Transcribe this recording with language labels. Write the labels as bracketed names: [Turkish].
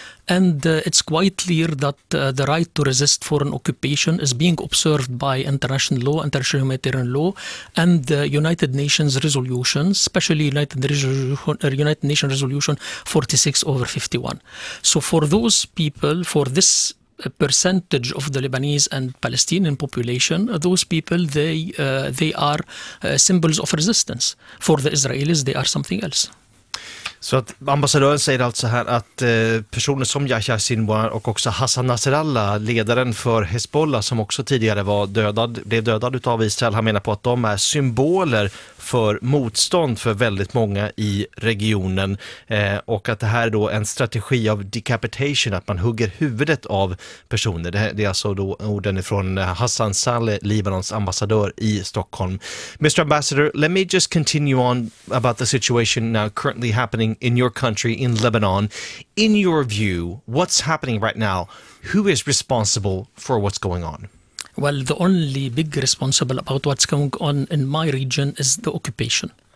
[English] And it's quite clear that the right to resist foreign occupation is being observed by international law, international humanitarian law, and the United Nations resolutions, especially United Nations Resolution 46/51. So for those people, for this percentage of the Lebanese and Palestinian population, those people, they are symbols of resistance. For the Israelis, they are something else. [Swedish] Så att ambassadören säger alltså här att personer som Yahya Sinwar och också Hassan Nasrallah, ledaren för Hezbollah som också tidigare var dödad, blev dödad av Israel, han menar på att de är symboler för motstånd för väldigt många i regionen och att det här är då en strategi av decapitation, att man hugger huvudet av personer. Det är alltså då orden från Hassan Saleh, Libanons ambassadör i Stockholm. [English] Mr. Ambassador, let me just continue on about the situation now currently happening in your country, in Lebanon. In your view, what's happening right now? Who is responsible for what's going on? Well, the only big responsible about what's going on in my region is the occupation.